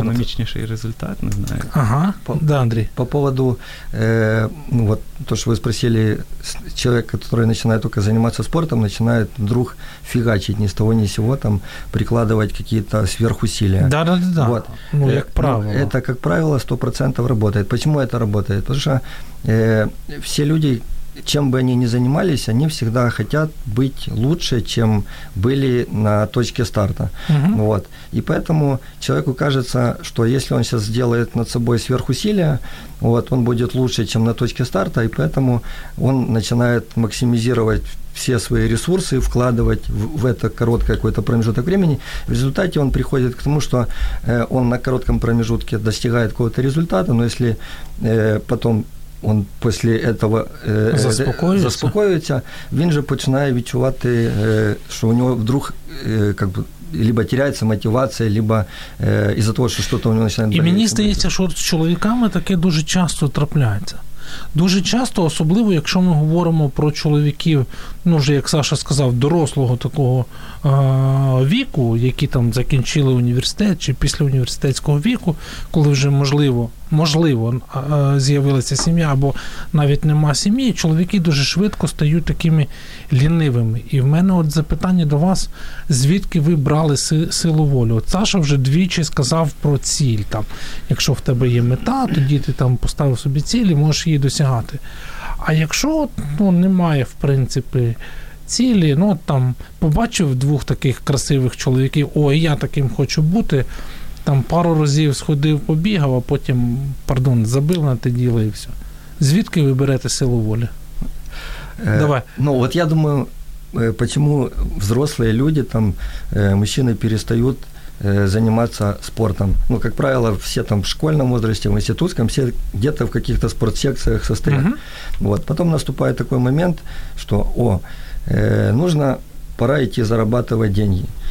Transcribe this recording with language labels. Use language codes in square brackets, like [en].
[uk] ергономічніший результат, не знаю. Ага, да, Андрій. [ru] По поводу, [uk] ну, от, то, що ви спросили, чоловік, який починає тільки займатися спортом, починає вдруг фігачити ні з того, ні з сього, там, прикладувати якісь сверхусилля. [ru] Да. Вот. [uk] Ну, як правило. [ru] Это, как правило, 100% работает. Почему это работает? Потому что все люди, чем бы они ни занимались, они всегда хотят быть лучше, чем были на точке старта. Угу. Вот. И поэтому человеку кажется, что если он сейчас сделает над собой сверхусилия, вот, он будет лучше, чем на точке старта, и поэтому он начинает максимизировать все свои ресурсы, вкладывать в это короткое какой-то промежуток времени. В результате он приходит к тому, что он на коротком промежутке достигает какого-то результата, но если потом он после этого заспокоится, [uk] він же починає відчувати, що у нього [ru] вдруг как бы либо [uk] теряється мотивація, [ru] либо [uk] із-за того, що щось у нього починає [ru] болеть. [uk] І мені здається, що з чоловіками таке дуже часто трапляється. Дуже часто, особливо, якщо ми говоримо про чоловіків, ну, вже, як Саша сказав, дорослого такого віку, які там закінчили університет, чи після університетського віку, коли вже, можливо, з'явилася сім'я, або навіть нема сім'ї, чоловіки дуже швидко стають такими лінивими. І в мене от запитання до вас, звідки ви брали силу волі? От Саша вже двічі сказав про ціль. Там, якщо в тебе є мета, тоді ти там поставив собі ціль і можеш її досягати. А якщо ну, немає, в принципі, цілі, ну, там, побачив двох таких красивих чоловіків, ой, я таким хочу бути, там, пару разів сходив, побігав, а потім, пардон, забив на те діло і все. Звідки ви берете силу волі? Давай. [ru] Ну, от я думаю, почему взрослые люди, там, мужчины перестают заниматься спортом. Ну, как правило, все там в школьном возрасте, в институтском, все где-то в каких-то спортсекциях состоят. Uh-huh. Вот. Потом наступает такой момент, что нужно, пора идти зарабатывать деньги.